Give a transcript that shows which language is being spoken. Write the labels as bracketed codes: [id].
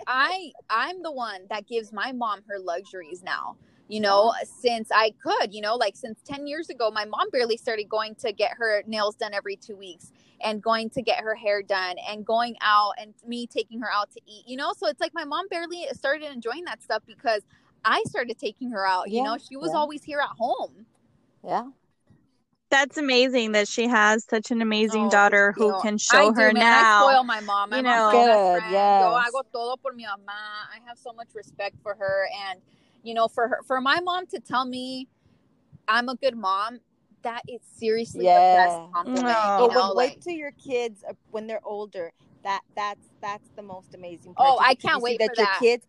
[en] I'm the one that gives my mom her luxuries now, you know, since I could, you know, like since 10 years ago, my mom barely started going to get her nails done every 2 weeks and going to get her hair done and going out and me taking her out to eat, you know? So it's like my mom barely started enjoying that stuff because I started taking her out, you know? She was always here at home. Yeah. That's amazing that she has such an amazing daughter who can show her now. I spoil my mom. My mom's good. Best friend. [es] Yes. Yo hago todo por mi mamá. [en] I have so much respect for her. And, you know, for her, for my mom to tell me I'm a good mom, that is seriously the best compliment. But wait till your kids, when they're older, that's the most amazing part. Oh, I can't wait for that.